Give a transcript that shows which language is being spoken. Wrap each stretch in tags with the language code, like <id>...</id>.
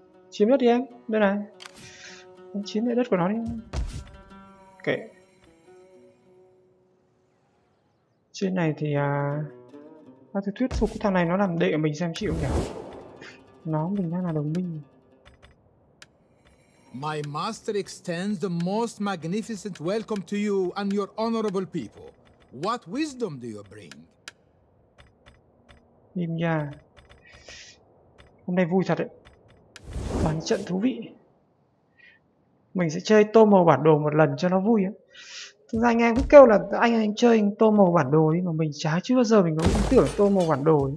<vi>Chiếm đất đi em, đây này. Em chiếm lại đất của nó đi. Kệ. Trên này thì ta thử thuyết phục cái thằng này nó làm đệ mình xem chịu nhỉ. Nó mình đang là đồng minh.</vi> <en>My master extends the most magnificent welcome to you and your honorable people. What wisdom do you bring?</en> <vi>Nhìn nhà hôm nay vui thật đấy, bán trận thú vị. Mình sẽ chơi tô màu bản đồ một lần cho nó vui ấy. Thực ra anh em cứ kêu là anh chơi tô màu bản đồ ấy, mà mình chả chưa bao giờ mình có ý tưởng tô màu bản đồ ấy.</vi>